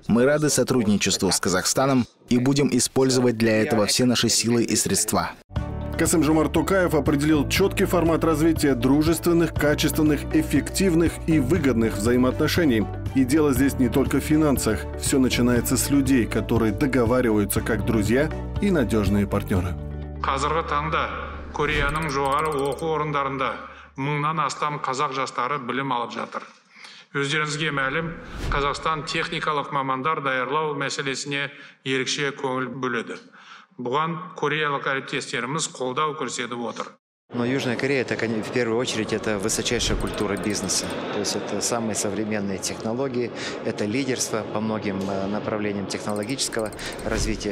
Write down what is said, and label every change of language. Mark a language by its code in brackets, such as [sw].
[ru] Мы рады сотрудничеству с Казахстаном и будем использовать для этого все наши силы и средства. Касым-Жомарт Токаев определил четкий формат развития дружественных, качественных, эффективных и выгодных взаимоотношений. И дело здесь не только в финансах. Все начинается с людей, которые договариваются как друзья и надежные партнеры. [kk] Қазіргі таңда Кореяның жоғары оқу орындарында 1000-нан астам қазақ жастары білім алып жатыр. Өздеріңізге мәлім, Қазақстан техникалық мамандар даярлау мәселесіне ерекше көңіл бөледі. Бұған кореялық әріптестеріміз қолдау көрсетіп отыр. [ru] Но Южная Корея, это, в первую очередь, это высочайшая культура бизнеса. То есть это самые современные технологии, это лидерство по многим направлениям технологического развития.